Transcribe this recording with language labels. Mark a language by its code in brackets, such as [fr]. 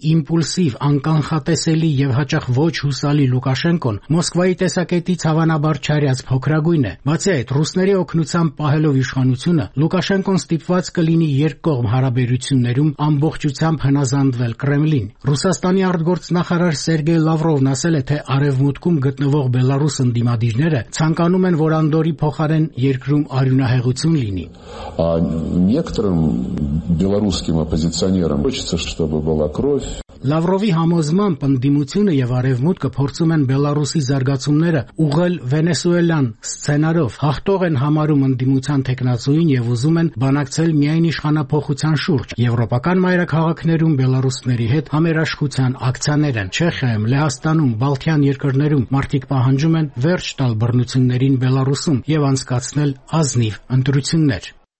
[hy] իմպուլսիվ, անկանխատեսելի և հաճախ ոչ հուսալի Լուկաշենկոն Մոսկվայի տեսակետից հավանաբար չարյած փոքրագույն է։ Բացի այդ, ռուսների օգնությամբ պահելով իշխանությունը, Լուկաշենկոն ստիպված կլինի երկկողմ հարաբերություններում ամբողջությամբ հնազանդվել Կրեմլին։ Ռուսաստանի արտգործնախարար Սերգեյ Լավրովն ասել է, թե արևմուտքում գտնվող Բելարուս ընդդիմադիրները ցանկանում են, որ անդորի փոխարեն երկրում արյունահեղություն լինի։ [ru] А некоторым белорусским оппозиционерам хочется, чтобы была кровь. [hy] Լավրովի համոզման ընդդիմությունը եւ արևմուտքը փորձում են Բելարուսի զարգացումները ուղղել Վենեսուելան սցենարով, հաղթող են համարում ընդդիմության տեխնազույին եւ ուզում են բանակցել միայն իշխանապողության շուրջ։ Եվրոպական մայրաքաղաքներում Բելարուսների հետ համերաշխության ակցիաներ են Չեխիայում, Լեհաստանում, Բալթյան երկրներում մարտիկ պահանջում են վերջ տալ բռնություններին Բելարուսում եւ անցկացնել ազնիվ ընտրություններ։